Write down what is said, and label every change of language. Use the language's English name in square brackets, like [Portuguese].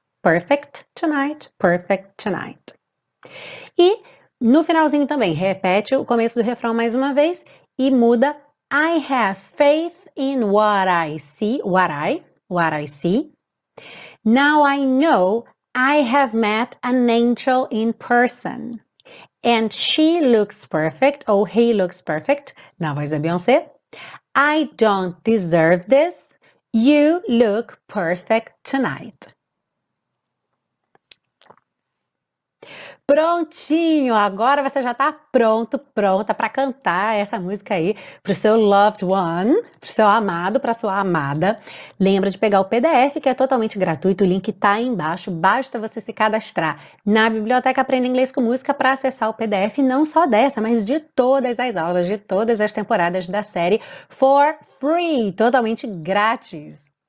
[English] Perfect tonight, perfect tonight. [Portuguese] E no finalzinho também, repete o começo do refrão mais uma vez e muda. [English] I have faith in what I see, what I see. Now I know I have met an angel in person. And she looks perfect, ou he looks perfect, [Portuguese] na voz da [English] Beyoncé. I don't deserve this. You look perfect tonight. [Portuguese] Prontinho, agora você já tá pronto, pronta para cantar essa música aí pro seu loved one, pro seu amado, pra sua amada. Lembra de pegar o PDF, que é totalmente gratuito, o link tá aí embaixo, basta você se cadastrar na Biblioteca Aprenda Inglês com Música para acessar o PDF, não só dessa, mas de todas as aulas, de todas as temporadas da série for free, totalmente grátis.